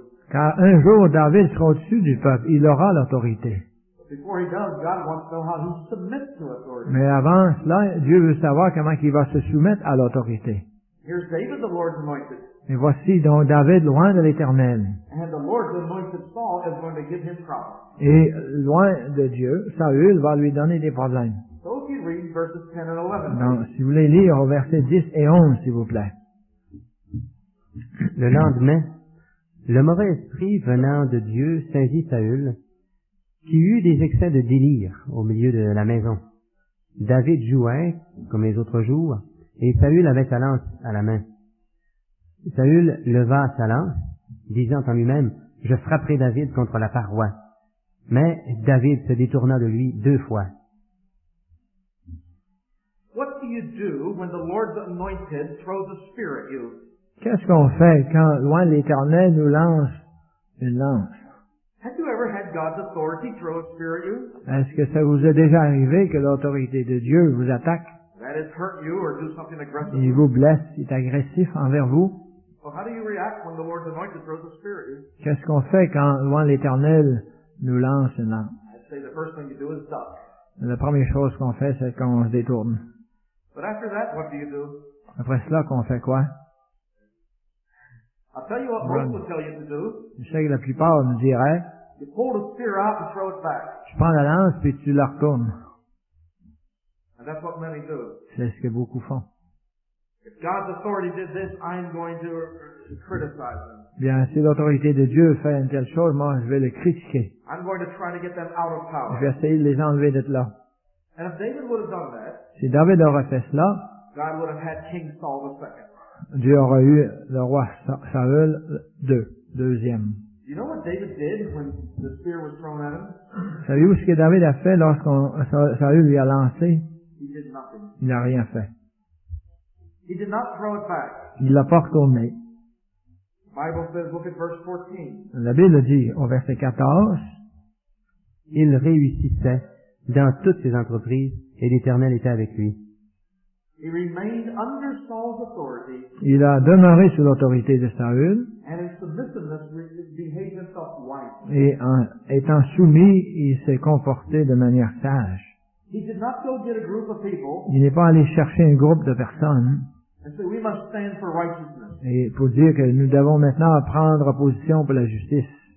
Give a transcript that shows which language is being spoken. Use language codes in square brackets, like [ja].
[fr] Car un jour, David sera au-dessus du peuple, il aura l'autorité. [en] Before he does, God wants to know how he submits to authority. [fr] Mais avant cela, Dieu veut savoir comment il va se soumettre à l'autorité. [en] Here's David, the Lord's anointed. [fr] Et voici donc David, loin de l'Éternel. [en] And the Lord's anointed Saul is going to give him problems. [fr] Et loin de Dieu, Saül va lui donner des problèmes. [en] So if you read verses 10 and 11. [fr] Donc, si vous voulez lire au verset 10 et 11, s'il vous plaît. Le lendemain, le mauvais esprit venant de Dieu saisit Saül, qui eut des excès de délire au milieu de la maison. David jouait, comme les autres jours, et Saül avait sa lance à la main. Saül leva sa lance, disant en lui-même, « Je frapperai David contre la paroi. » Mais David se détourna de lui deux fois. Qu'est-ce qu'on fait quand loin l'Éternel nous lance une lance? [en] Have you ever had God's authority throw a spear at you? [fr] Est-ce que ça vous est déjà arrivé que l'autorité de Dieu vous attaque? [en] That has hurt you or do something aggressive. [fr] Il vous blesse, il est agressif envers vous. [en] Well, how do you react when the Lord's anointed throws a spear at you? [fr] Qu'est-ce qu'on fait quand loin l'Éternel nous lance une lance? [en] I'd say the first thing you do is duck. [fr] La première chose qu'on fait, c'est qu'on se détourne. [en] But after that, what do you do? [fr] Après cela, qu'on fait quoi? [en] I'll tell you what most will tell you to do. [fr] Je sais que la plupart nous diraient. [en] You pull the spear out and throw it back. [fr] Tu prends la lance puis tu la retournes. [en] And that's what many do. [fr] C'est ce que beaucoup font. [en] If God's authority did this, I'm going to criticize them. [fr] Bien, si l'autorité de Dieu fait une telle chose, moi, je vais le critiquer. [en] I'm going to try to get them out of power. [fr] Je vais essayer de les enlever d'être là. [en] And if David would have done that, [fr] si David aurait fait cela, [en] God would have had King Saul the second. [fr] Dieu aurait eu le roi Saül deuxième. [en] You know what David did when the spear was thrown at him? [fr] Savez-vous ce que David a fait lorsque Saül lui a lancé? [en] He did nothing. [fr] Il n'a rien fait. [en] He did not throw it back. [fr] Il ne l'a pas retourné. [en] Bible says, look at verse 14. [fr] La Bible dit au verset 14, il réussissait dans toutes ses entreprises et l'Éternel était avec lui. [en] He remained under Saul's authority, [fr] il a demeuré sous l'autorité de Saül. [en] And in submissiveness, behaved himself wisely. [fr] Et en étant soumis, il s'est comporté de manière sage. [en] He did not go get a group of people, [fr] il n'est pas allé chercher un groupe de personnes. [en] And said, we must stand for righteousness. [fr] Et pour dire que nous devons maintenant prendre position pour la justice.